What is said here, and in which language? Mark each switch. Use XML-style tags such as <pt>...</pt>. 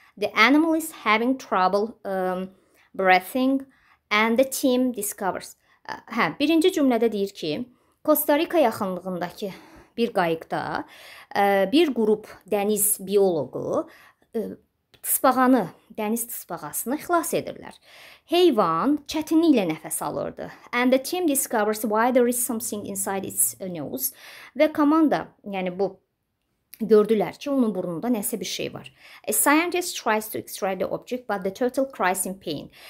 <en>The animal is having trouble breathing and the team discovers.</en> <az>Birinci cümlədə deyir ki, Costa Rica yaxınlığındakı bir qayıqda bir qrup dəniz biologu tısbağanı, dəniz tısbağasını xilas edirlər. Heyvan çətinliklə nəfəs alırdı.</az> <en>And the team discovers why there is something inside its nose.</en> <az>Və komanda, yəni bu, gördülər ki, onun burnunda nəsə bir şey var.</az> <en>A scientist tries to extract the object, but the turtle cries in pain.</en>